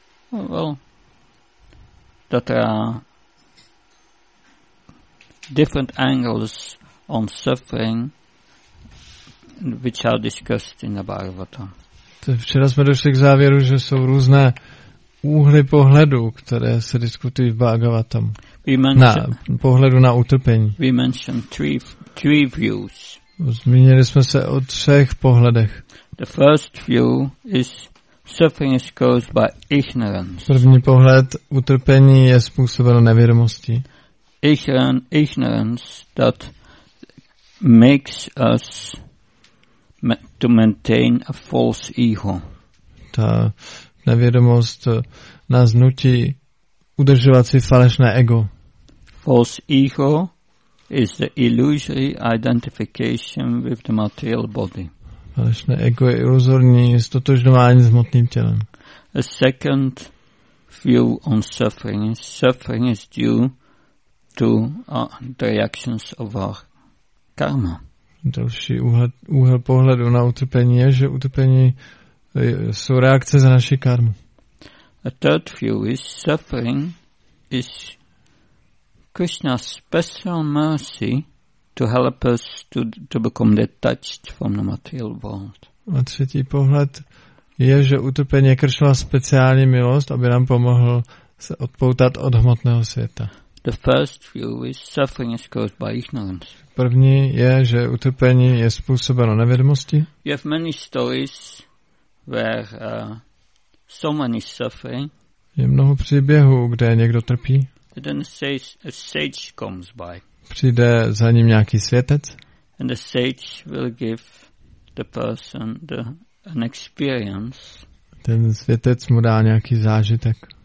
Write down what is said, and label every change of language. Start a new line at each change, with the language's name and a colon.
English: Well, that are different angles on suffering which are discussed in the Bhagavatam.
Czech: Včera jsme došli k závěru, že jsou různé úhly pohledu, které se diskutují v Bhagavatam. Na pohledu na utrpení.
English: We mentioned three views.
Czech: Zmínili jsme se o třech pohledech.
English: The first view is suffering is caused by ignorance.
Czech: První pohled, utrpení je způsobeno nevědomostí.
English: Ignorance that makes us to maintain a false ego.
Czech: Ta nevědomost nás nutí udržovat si falešné ego.
English: False ego is the illusory identification with the material body.
Czech: Falešné ego je iluzorní ztotožňování s hmotným tělem.
English: A second view on suffering. Suffering is due to the reactions of our karma.
Czech: Další úhel pohledu na utrpení je, že utrpení jsou reakce za naši karmu.
English: A third view is suffering is Krishna's special mercy to help us to become detached from the material world.
Czech: A třetí pohled je, že utrpení je Krishna's speciální milost, aby nám pomohl se odpoutat od hmotného světa.
English: The first view is suffering is caused by ignorance.
Czech: První je, že utrpení je způsobeno nevědomostí.
English: We have many stories where someone is suffering.
Czech: Je mnoho příběhů, kde někdo trpí.
English: And then a sage comes by.
Czech: Přijde za ním nějaký světec.
English: And the sage will give the person an experience.
Czech: Ten světec mu dá nějaký zážitek.